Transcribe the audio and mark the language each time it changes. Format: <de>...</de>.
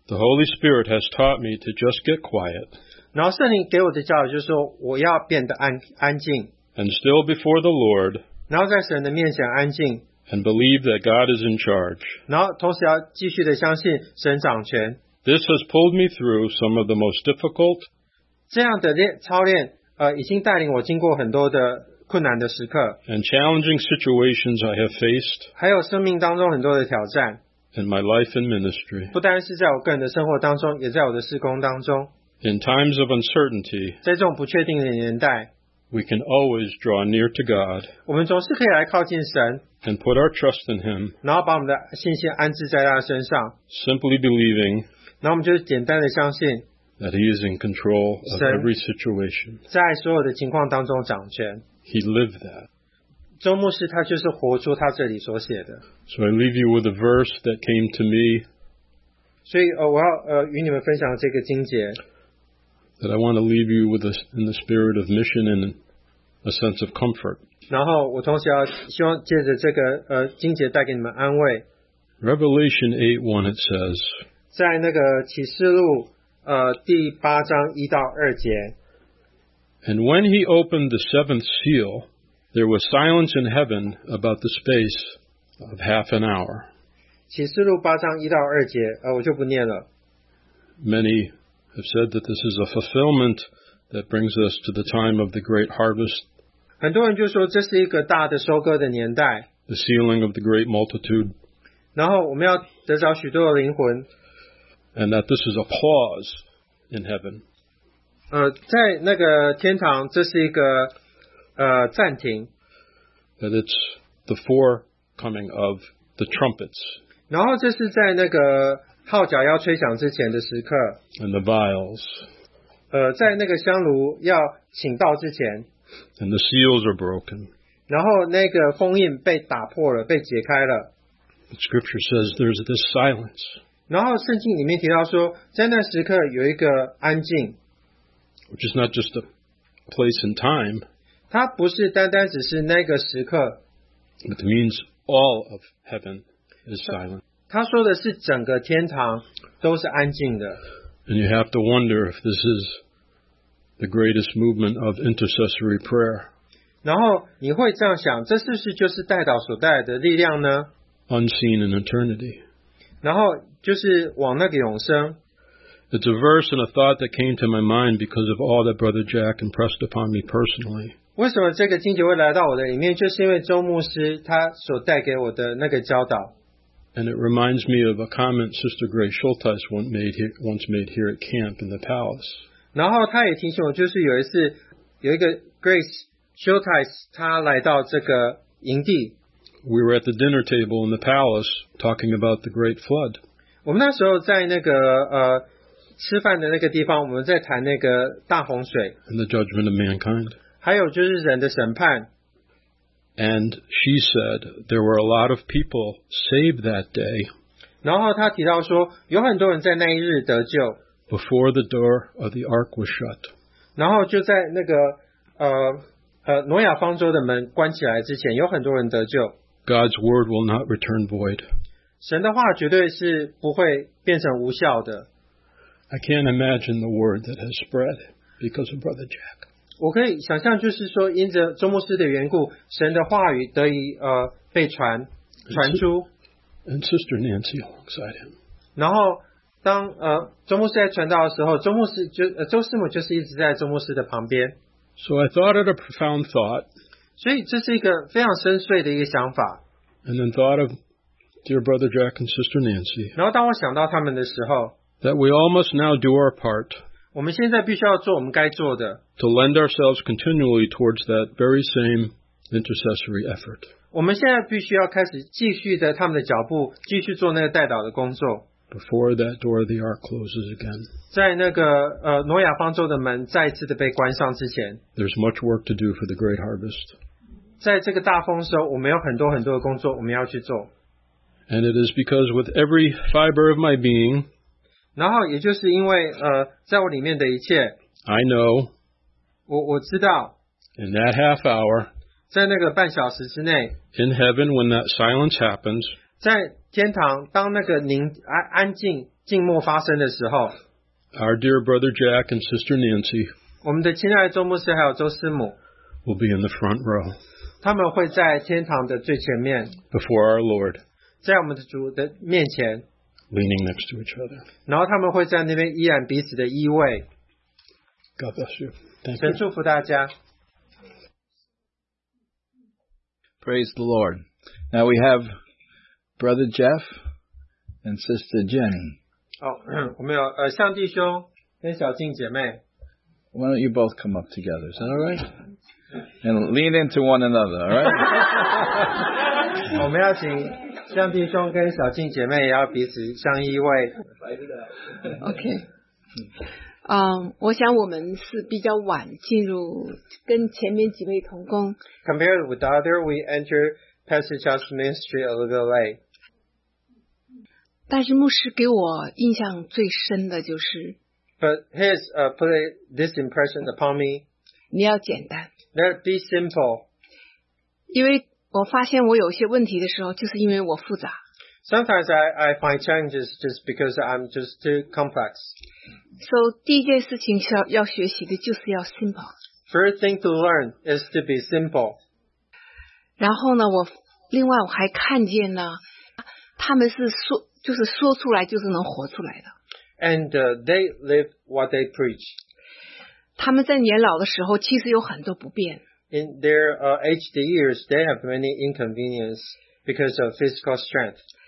<en>the Holy Spirit has taught me to just get quiet.</en> <zh>然后圣灵给我的教导就是说我要变得安静。</zh> <en>And still before the Lord,</en> <zh>然后在神的面前安静。</zh> <en>And believe that God is in charge.</en> <zh>然后同时要继续的相信神掌权。</zh> <en>This has pulled me through some of the most difficult.</en> <zh>这样的操练已经带领我经过很多的困难的时刻。</zh> <en>And challenging situations I have faced.</en> <zh>还有生命当中很多的挑战。</zh> <en>In my life and ministry.</en> <zh>不单是在我个人的生活当中，也在我的事工当中。</zh> <en>In times of uncertainty.</en> <zh>在这种不确定的年代。</zh> <en>We can always draw near to God.</en> <zh>我们总是可以来靠近神。</zh> <en>And put our trust in Him.</en> <zh>然后把我们的信心安置在他身上。</zh> <en>Simply believing.</en> <zh>然后我们就简单的相信。</zh> <en>That He is in control of every situation.</en> <zh>在所有的情况当中掌权。</zh> <en>He lived that.</en> <zh>周牧师他就是活出他这里所写的。</zh> <en>So I leave you with a verse that came to me.</en> <zh>所以我要与你们分享这个经节。</zh> <en>That I want to leave you with in the spirit of mission and a sense of comfort.</en> <zh>然后我同时要希望借着这个经节带给你们安慰。</zh> <en>Revelation 8:1 it says.</en> <zh>在那个启示录第八章一到二节。</zh> <en>And when he opened the seventh seal, there was silence in heaven about the space of half an hour.</en> <zh>启示录八章一到二节，我就不念了。</zh> <en>Many. Have said that this is a fulfillment that brings us to the time of the great harvest.</en> <zh>很多人就说这是一个大的收割的年代。</zh> <en>The sealing of the great multitude.</en> <zh>然后我们要得着许多的灵魂。</zh> <en>And that this is a pause in heaven.</en> <zh>在那个天堂，这是一个暂停。</zh> <en>That it's the forecoming of the trumpets.</en> <zh>然后这是在那个。号角要吹响之前的时刻</zh> <en>and the vials</en> <zh>在那个香炉要倾倒之前</zh> <en>and the seals are broken</en> <zh>然后那个封印被打破了被解开了</zh> <en>the scripture says there's this silence</en> <zh>然后圣经里面提到说在那时刻有一个安静</zh> <en>which is not just a place and time</en> <zh>它不是单单只是那个时刻</zh> <en>it means all of heaven is silent</en> <zh>他说的是整个天堂都是安静的。</zh> <en>And you have to wonder if this is the greatest movement of intercessory prayer.</en> <zh>然后你会这样想，这是不是就是代祷所带来的力量呢</zh> <en>？Unseen in eternity.</en> <zh>然后就是往那个永生。</zh> <en>It's a verse and a thought that came to my mind because of all that Brother Jack impressed upon me personally.</en> <zh>为什么这个经节会来到我的里面，就是因为周牧师他所带给我的那个教导。</zh> <en>And it reminds me of a comment Sister Grace Schultheis once made here at camp in the palace.</en> <zh>然后他也提醒我，就是有一次有一个 Grace Schultheis 他来到这个营地。</zh> <en>We were at the dinner table in the palace talking about the great flood.</en> <zh>我们那时候在那个吃饭的那个地方，我们在谈那个大洪水。</zh> <en>And the judgment of mankind.</en> <zh>还有就是人的审判。</zh> <en>And she said there were a lot of people saved that day.</en> <zh>然后他提到说有很多人在那一日得救。</zh> <en>Before the door of the ark was shut.</en> <zh>然后就在那个挪亚方舟的门关起来之前，有很多人得救。</zh> <en>God's word will not return void.</en> <zh>神的话绝对是不会变成无效的。</zh> <en>I can't imagine the word that has spread because of Brother Jack.</en> <zh>我可以想象，就是说，因着周牧师的缘故，神的话语得以被传出。</zh> <en>And Sister Nancy alongside him.</en> <zh>然后当周牧师在传道的时候，周师母就是一直在周牧师的旁边。</zh> <en>So I thought it a profound thought.</en> <zh>所以这是一个非常深邃的一个想法。</zh> <en>And then thought of dear Brother Jack and Sister Nancy.</en> <zh>然后当我想到他们的时候。</zh> <en>That we all must now do our part.</en> <zh>我们现在必须要做我们该做的。</zh> <en>To lend ourselves continually towards that very same intercessory effort.</en> <zh>我们现在必须要开始继续的他们的脚步，继续做那个代祷的工作。</zh> <en>Before that door of the ark closes again.</en> <zh>在那个挪亚方舟的门再一次的被关上之前。</zh> <en>There's much work to do for the great harvest.</en> <zh>在这个大丰收，我们有很多很多的工作我们要去做。</zh> <en>And it is because with every fiber of my being.</en> <zh>然后也就是因为在我里面的一切。</zh> <en>I know.</en> <zh>我知道。</zh> <en>In that half hour.</en> <zh>在那个半小时之内。</zh> <en>In heaven when that silence happens.</en> <zh>在天堂当那个安静静默发生的时候。</zh> <en>Our dear brother Jack and sister Nancy.</en> <zh>我们的亲爱的周牧师还有周师母。</zh> <en>Will be in the front row.</en> <zh>他们会在天堂的最前面。</zh> <en>Before our Lord.</en> <zh>在我们的主的面前。</zh> <en>Leaning next to each other.</en> <zh>然后他们会在那边依然彼此的依偎。</zh> <en>God bless you. Thank you.</en> <zh>神祝福大家。</zh> <en>Praise the Lord. Now we have Brother Jeff and Sister Jenny.</en> <zh>我们有向弟兄跟小静姐妹。</zh> <en>Why don't you both come up together? Is that all right? And lean into one another, all right?</en> <zh>我们要请。向弟兄跟小静姐妹也要彼此相依偎。 OK， 我想我们是比较晚进入，跟前面几位同工。</zh> <en>Compared with other, we enter Pastor Chow's ministry a little late.</en> <zh>但是牧师给我印象最深的就是。</zh> <en>But his put this impression upon me.</en> <zh>你要简单。</zh> <en>Let it be simple.</en> <zh>因为。我发现我有些问题的时候，就是因为我复杂。</zh> <en>Sometimes I find challenges just because I'm just too complex.</en> <zh>So 第一件事情要学习的就是要 simple.</zh> <en>First thing to learn is to be simple.</en> <zh>然后呢，另外我还看见呢，他们是说出来就是能活出来的。</zh> <en>And they live what they preach.</en> <zh>他们在年老的时候其实有很多不便。</zh> <en>In their aged years, they have many inconveniences because of physical strength.</en>